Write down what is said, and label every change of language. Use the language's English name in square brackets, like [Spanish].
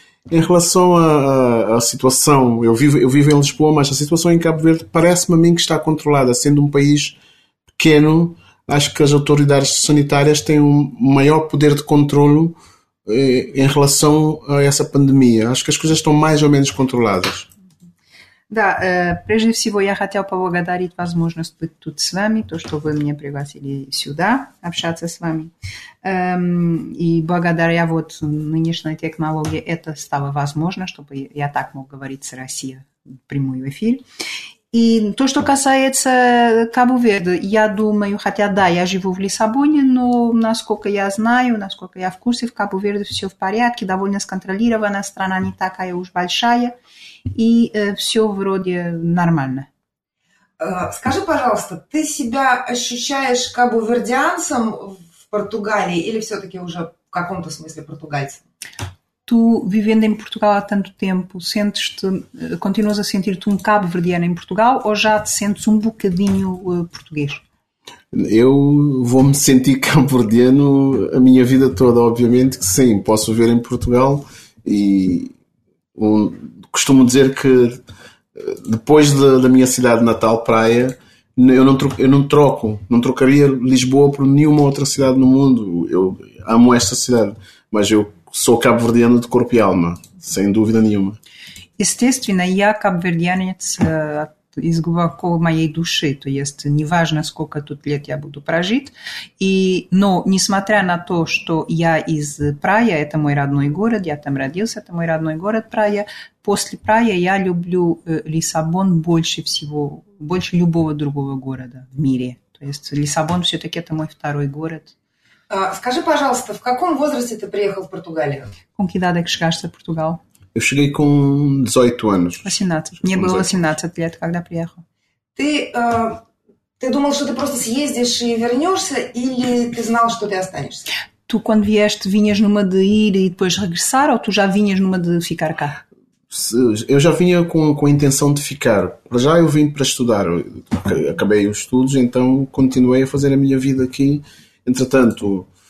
[Portuguese] Em relação à situação, eu vivo em Lisboa, mas a situação em Cabo Verde parece-me a mim que está controlada. Sendo um país pequeno, acho que as autoridades sanitárias têm um maior poder de controlo em relação a essa pandemia. Acho que as coisas estão mais ou menos controladas. [Russian] Да, прежде всего я хотел поблагодарить возможность быть тут с вами, то, что вы меня пригласили сюда общаться с вами. И благодаря вот нынешней технологии это стало возможно, чтобы я так мог говорить с Россией в прямой эфир. И то, что касается Кабо-Верде, я думаю, хотя да, я живу в Лиссабоне, но насколько я знаю, насколько я в курсе, в Кабо-Верде все в порядке, довольно сконтролированная страна, не такая уж большая. И все вроде нормально. Скажи, пожалуйста, ты себя ощущаешь кабо-вердианцем в Португалии или все-таки уже в каком-то смысле португальцем? [Portuguese] Tu, vivendo em Portugal há tanto tempo, continuas a sentir-te cabo-verdiano em Portugal ou já te sentes bocadinho português? Eu vou me sentir cabo-verdiano a minha vida toda, obviamente que sim. Posso viver em Portugal e... Costumo dizer que depois da minha cidade natal, Praia, eu não trocaria Lisboa por nenhuma outra cidade no mundo. Eu amo esta cidade, mas eu sou cabo-verdiano de corpo e alma, sem dúvida nenhuma. [Russian] Естественно, я кабо-верденец из глубоко моей души, то есть неважно, сколько тут лет я буду прожить, но несмотря на то, что я из Прая, это мой родной город, я там родился, это мой родной город Прая, после Прая я люблю Лиссабон больше всего, больше любого другого города в мире, то есть Лиссабон все-таки это мой второй город. Скажи, пожалуйста, в каком возрасте ты приехал в Португалию? [Portuguese] Com que idade é que chegaste a Portugal? Eu cheguei com 18 anos. 18. [Russian] Мне было 18 лет, когда приехал. Ты думал, что ты просто съездишь и вернешься, или ты знал, что ты останешься? [Portuguese] Tu, quando vieste, vinhas numa de ir e depois regressar, ou tu já vinhas numa de ficar cá? Eu já vinha com a intenção de ficar. Já eu vim para estudar. Acabei os estudos, então continuei a fazer a minha vida aqui. Entretanto,